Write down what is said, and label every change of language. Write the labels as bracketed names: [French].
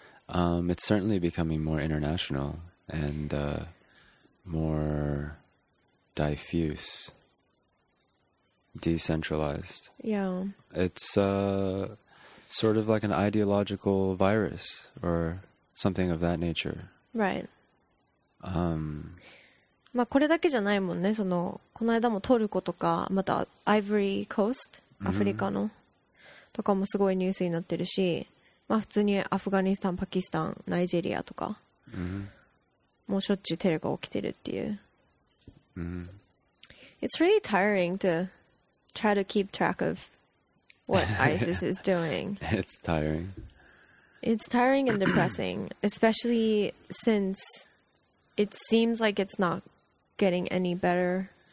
[English] It's certainly becoming more international and more diffuse, decentralized. Yeah. It's sort of like an ideological virus or something of that nature. Right. ま [Japanese] あこれだけじゃないもんね。そのこの間もトルコとかまたアイヴォリーコースト、アフリカの、mm-hmm. とかもすごいニュースになってるし、まあ普通にアフガニスタン、パキスタン、ナイジェリアとか、 [English] mm-hmm. [Japanese] もうしょっちゅうテレが起きてるっていう。 [English] Mm-hmm. It's really tiring to try to keep track of what ISIS is doing. It's tiring. It's tiring and depressing, especially since it seems like it's not getting any better.